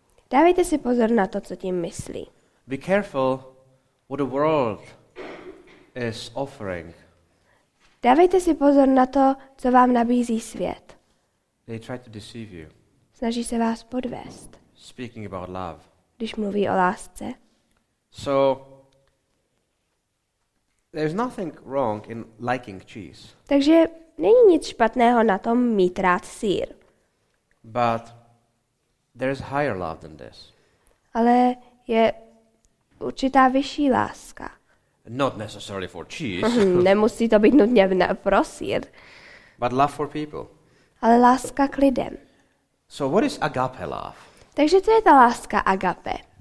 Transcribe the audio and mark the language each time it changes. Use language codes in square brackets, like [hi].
[cs] Dávejte si pozor na to, co tím myslí. [en] Be careful what the world is offering. [cs] Dávejte si pozor na to, co vám nabízí svět. [en] They try to deceive you. [cs] Snaží se vás podvést. [en] Speaking about love. [cs] Když mluví o lásce. [en] So there's nothing wrong in liking cheese. [cs] Takže není nic špatného na tom mít rád sýr. [en] But there's higher love than this. [cs] Ale je určitá vyšší láska. [en] Not necessarily for cheese. [cs] Nemusí to být nutně pro sýr. [en] But love for people. [cs] Ale láska k lidem. [en] So what is agape love? [cs] Takže co je ta láska agape?